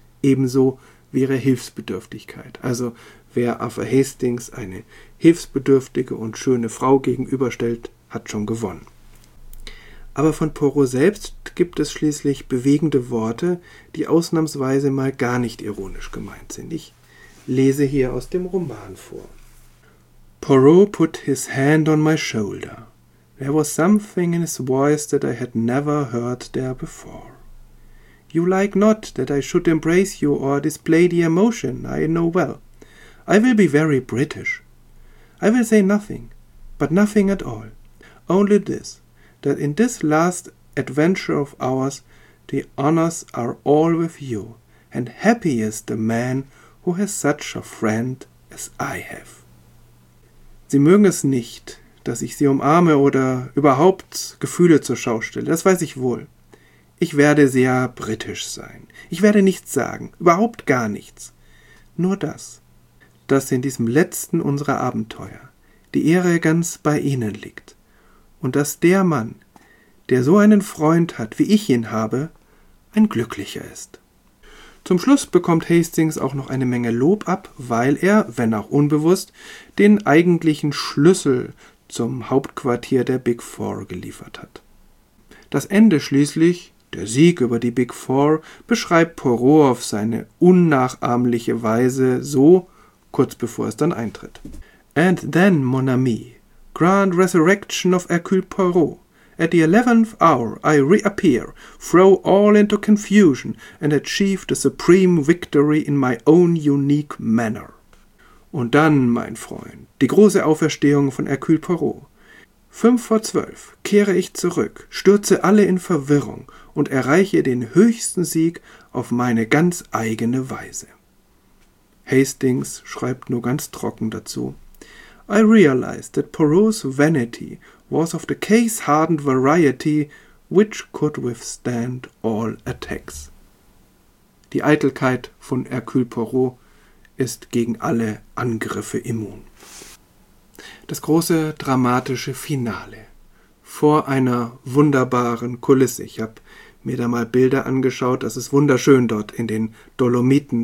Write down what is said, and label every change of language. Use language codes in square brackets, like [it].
[de] Ebenso wie ihre Hilfsbedürftigkeit. Also wer Arthur Hastings eine hilfsbedürftige und schöne Frau gegenüberstellt, hat schon gewonnen. Aber von Poirot selbst gibt es schließlich bewegende Worte, die ausnahmsweise mal gar nicht ironisch gemeint sind. Ich lese hier aus dem Roman vor. [en] Poirot put his hand on my shoulder. There was something in his voice that I had never heard there before. You like not that I should embrace you or display the emotion I know well. I will be very British. I will say nothing, but nothing at all. Only this, that in this last adventure of ours, the honors are all with you, and happy is the man who has such a friend as I have. [de] Sie mögen es nicht, dass ich sie umarme oder überhaupt Gefühle zur Schau stelle, das weiß ich wohl. Ich werde sehr britisch sein. Ich werde nichts sagen, überhaupt gar nichts. Nur das, dass in diesem letzten unserer Abenteuer die Ehre ganz bei Ihnen liegt und dass der Mann, der so einen Freund hat, wie ich ihn habe, ein Glücklicher ist. Zum Schluss bekommt Hastings auch noch eine Menge Lob ab, weil er, wenn auch unbewusst, den eigentlichen Schlüssel zum Hauptquartier der Big Four geliefert hat. Das Ende schließlich, der Sieg über die Big Four, beschreibt Poirot auf seine unnachahmliche Weise so, kurz bevor es dann eintritt. [en] And then, [fr] mon ami, [en] grand resurrection of Hercule Poirot. At the 11th hour I reappear, throw all into confusion and achieve the supreme victory in my own unique manner. [de] Und dann, mein Freund, die große Auferstehung von Hercule Poirot. 11:55 kehre ich zurück, stürze alle in Verwirrung und erreiche den höchsten Sieg auf meine ganz eigene Weise. Hastings schreibt nur ganz trocken dazu. [en] I realized that Poirot's vanity was of the case-hardened variety which could withstand all attacks. [de] Die Eitelkeit von Hercule Poirot ist gegen alle Angriffe immun. Das große dramatische Finale. Vor einer wunderbaren Kulisse. Ich habe mir da mal Bilder angeschaut. Das ist wunderschön dort in den Dolomiten.